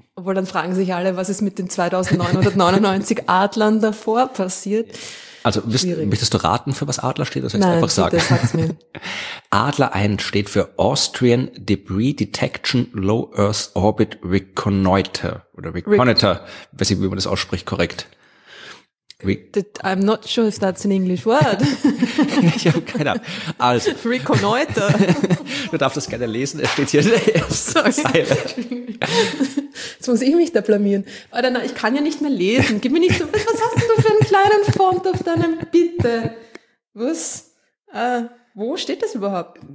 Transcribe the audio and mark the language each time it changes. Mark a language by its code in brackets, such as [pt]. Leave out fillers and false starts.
[de] Obwohl, dann fragen sich alle, was ist mit den 2999 Adlern davor passiert. Also, möchtest du raten, für was Adler steht? Oder soll ich einfach sagen? Adler 1 steht für Austrian Debris Detection Low Earth Orbit Reconnoiter. Oder Reconnoiter. Weiß nicht, wie man das ausspricht, korrekt. [en] I'm not sure if that's an English word. [de] Ich habe keine Ahnung. Also, Reconnoiter. Du darfst das gerne lesen, es steht hier. Sorry. Jetzt muss ich mich da blamieren. Oder nein, ich kann ja nicht mehr lesen. Gib mir nicht so. Was hast du für einen kleinen Font auf deinem Bitte? Was? Wo steht das überhaupt?